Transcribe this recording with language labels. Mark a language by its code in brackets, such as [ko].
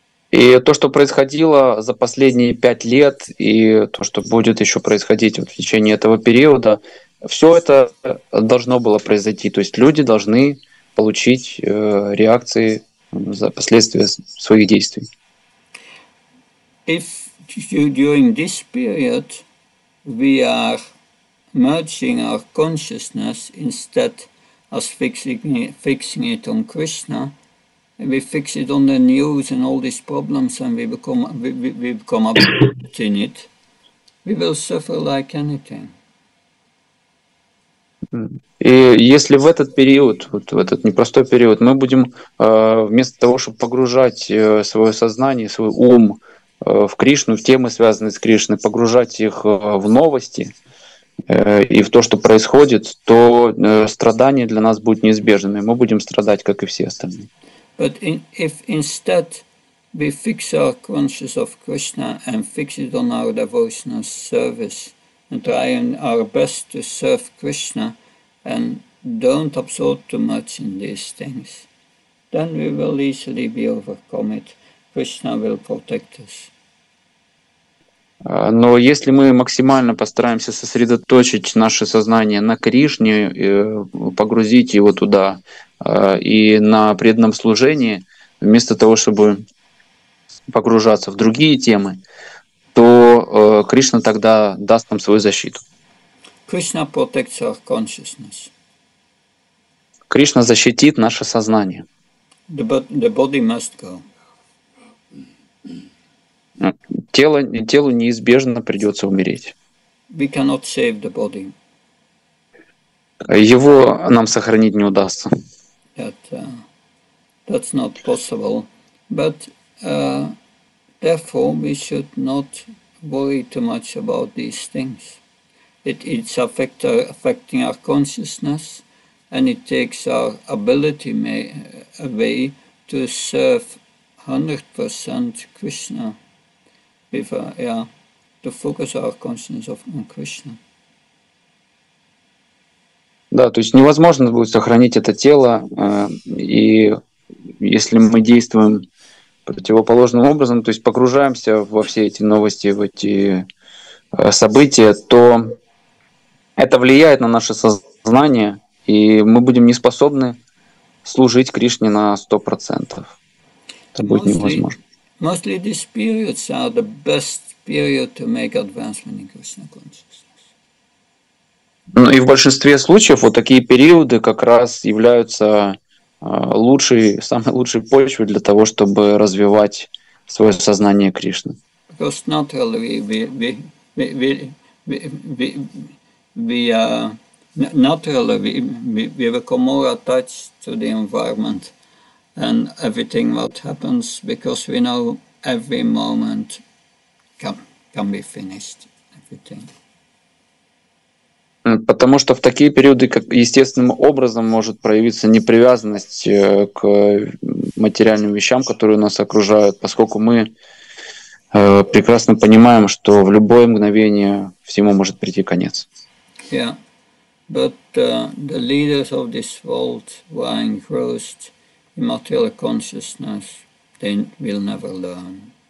[ru] И то, что происходило за последние 5 лет, и то, что будет еще происходить вот в течение этого периода, все это должно было произойти. То есть люди должны получить реакции за последствия своих действий. [en] If you, during this period we are merging our consciousness instead of fixing it on Krishna, we fix it on the news and all these problems, and we become absorbed in it, we will suffer like anything. [ru] И если в этот период, вот в этот непростой период, мы будем вместо того, чтобы погружать свое сознание, свой ум в Кришну, в темы, связанные с Кришной, погружать их в новости и в то, что происходит, то страдания для нас будут неизбежными. Мы будем страдать, как и все остальные. [en] But if instead we fix our consciousness of Krishna and fix it on our devotional service and try our best to serve Krishna and don't absorb too much in these things, then we will easily be overcome it. Krishna will protect us. [ru] Но если мы максимально постараемся сосредоточить наше сознание на Кришне, погрузить его туда и на преданном служении, вместо того, чтобы погружаться в другие темы, то Кришна тогда даст нам свою защиту. [en] Krishna protects our consciousness. [ru] Кришна защитит наше сознание. [en] The body must go. [ru] Телу неизбежно придется умереть. [en] We cannot save the body. [ru] Его нам сохранить не удастся. [en] That's not possible. But therefore we should not worry too much about these things. it's affecting our consciousness, and it takes our ability away to serve 100% Krishna, to focus our consciousness on Krishna. [ru] Да, то есть невозможно будет сохранить это тело, и если мы действуем противоположным образом, то есть погружаемся во все эти новости, в эти события, то это влияет на наше сознание, и мы будем не способны служить Кришне на 100%. Это будет невозможно. [en] Mostly these periods are the best period to make advancement in Krishna consciousness. [ru] Ну и в большинстве случаев вот такие периоды как раз являются самой лучшей почвой для того, чтобы развивать свое сознание Кришны. [en] Because naturally we become more attached to the environment and everything what happens, because we know every moment can be finished everything. [ru] Потому что в такие периоды, как естественным образом, может проявиться непривязанность к материальным вещам, которые нас окружают, поскольку мы прекрасно понимаем, что в любое мгновение всему может прийти конец. [en] Yeah, but the leaders of this world who are engrossed in material consciousness, they will never learn.